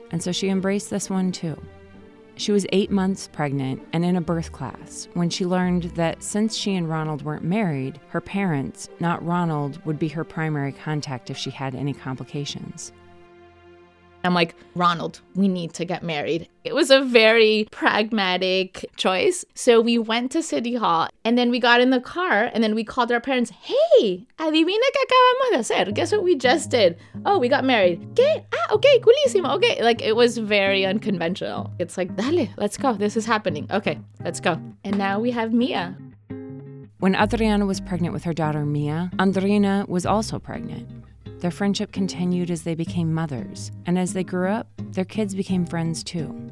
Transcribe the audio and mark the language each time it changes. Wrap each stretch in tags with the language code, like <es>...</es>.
<en>And so she embraced this one too. She was 8 months pregnant and in a birth class when she learned that since she and Ronald weren't married, her parents, not Ronald, would be her primary contact if she had any complications. I'm like, Ronald, we need to get married. It was a very pragmatic choice. So we went to City Hall and then we got in the car and then we called our parents.</en> <es>Hey, adivina que acabamos de hacer?</es> <en>Guess what we just did? Oh, we got married.</en> <es>¿Qué?</es> <en>Ah, okay, coolísimo. Okay, like it was very unconventional. It's like, dale, let's go. This is happening. Okay, let's go. And now we have Mia. When Adriana was pregnant with her daughter Mia, Andrina was also pregnant. Their friendship continued as they became mothers. And as they grew up, their kids became friends too.</en>